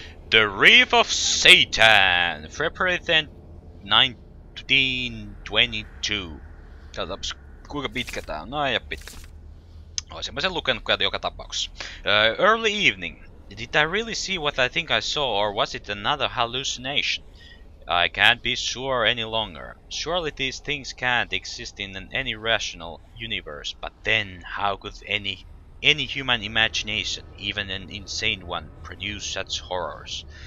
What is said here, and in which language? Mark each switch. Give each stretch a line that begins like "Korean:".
English: The Reef of Satan, February 1922.
Finnish: Katsotaanpas, kuinka pitkä tää on. No ei oo pitkä. Olisin mä sen lukenut kuitenkin joka tapauksessa.
English: Early evening. Did I really see what I think I saw, or was it another hallucination? I can't be sure any longer. Surely these things can't exist in any rational universe, but then how could any human imagination, even an insane one, produce such horrors?